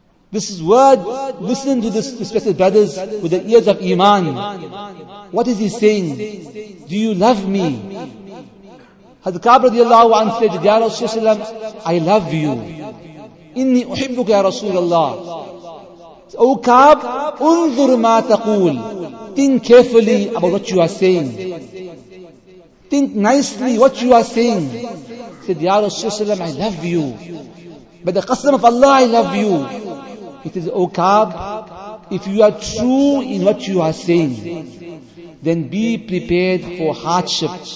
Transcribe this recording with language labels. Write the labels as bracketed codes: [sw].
[en] This is word. Listen to this, respected brothers, with the ears of iman. What is he saying? Do you love me? Had Kaab radiallahu anhu said, Ya Rasulullah, I love you. [ar] إني أحبك يا رسول الله. O Kaab, انظر ما تقول. [en] Think carefully about what you are saying. Think nicely what you are saying. He said, Ya Rasulullah, I love you. By the Qasam of Allah, I love you. He says, O Ka'b, if you are true in what you are saying, then be prepared for hardship.